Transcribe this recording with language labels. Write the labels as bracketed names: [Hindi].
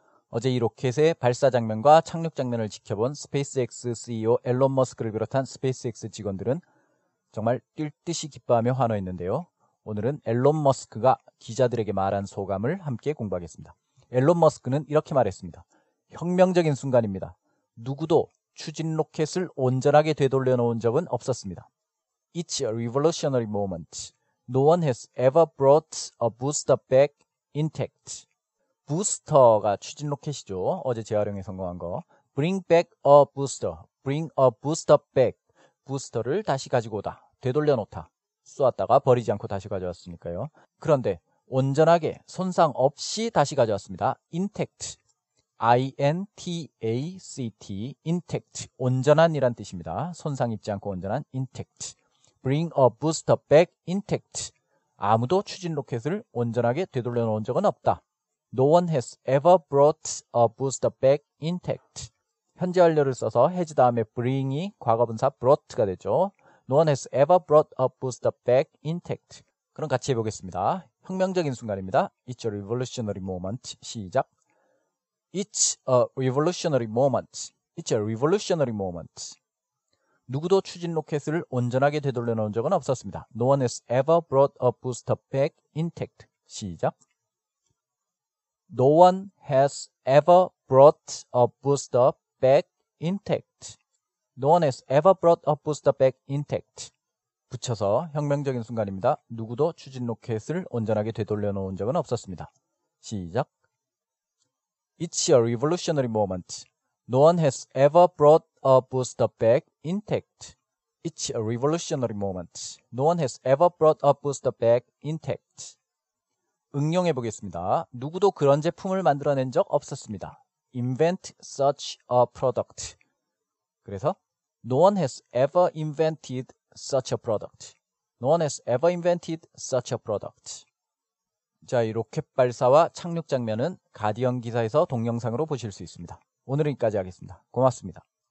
[Korean] 어제 이 로켓의 발사 장면과 착륙 장면을 지켜본 스페이스X CEO 앨런 머스크를 비롯한 스페이스X 직원들은 정말 뛸 듯이 기뻐하며 환호했는데요. 오늘은 앨런 머스크가 기자들에게 말한 소감을 함께 공부하겠습니다. 앨런 머스크는 이렇게 말했습니다. 혁명적인 순간입니다. 누구도 추진 로켓을 온전하게 되돌려 놓은 적은 없었습니다. [English] It's a revolutionary moment. No one has ever brought a booster back intact. [Korean] 부스터가 추진 로켓이죠. 어제 재활용에 성공한 거. [English] Bring back a booster. Bring a booster back. [Korean] 부스터를 다시 가지고 오다. 되돌려 놓다. 쏘았다가 버리지 않고 다시 가져왔으니까요. 그런데 온전하게 손상 없이 다시 가져왔습니다. Intact, I-N-T-A-C-T, Intact, 온전한이란 뜻입니다. 손상 입지 않고 온전한 Intact. [English] Bring a booster back Intact. [Korean] 아무도 추진 로켓을 온전하게 되돌려 놓은 적은 없다. [English] No one has ever brought a booster back Intact. [Korean] 현재 완료를 써서 has 다음에 bring이 과거분사 brought가 되죠. [English] No one has ever brought a booster back Intact. [Korean] 그럼 같이 해보겠습니다. 혁명적인 순간입니다. [English] It's a revolutionary moment. [Korean] 시작. [English] It's a revolutionary moment. It's a revolutionary moment. [Korean] 누구도 추진 로켓을 온전하게 되돌려 놓은 적은 없었습니다. [English] No one has ever brought a booster back intact. [Korean] 시작. [English] No one has ever brought a booster back intact. No one has ever brought a booster back intact. [Korean] 붙여서 혁명적인 순간입니다. 누구도 추진 로켓을 온전하게 되돌려 놓은 적은 없었습니다. 시작. [English] It's a revolutionary moment. No one has ever brought a booster back intact. It's a revolutionary moment. No one has ever brought a booster back intact. [Korean] 응용해 보겠습니다. 누구도 그런 제품을 만들어낸 적 없었습니다. [English] Invent such a product. [Korean] 그래서 [English] No one has ever invented such a product. No one has ever invented such a product. [Korean] 자, 이 로켓 발사와 착륙 장면은 가디언 기사에서 동영상으로 보실 수 있습니다. 오늘은 여기까지 하겠습니다. 고맙습니다.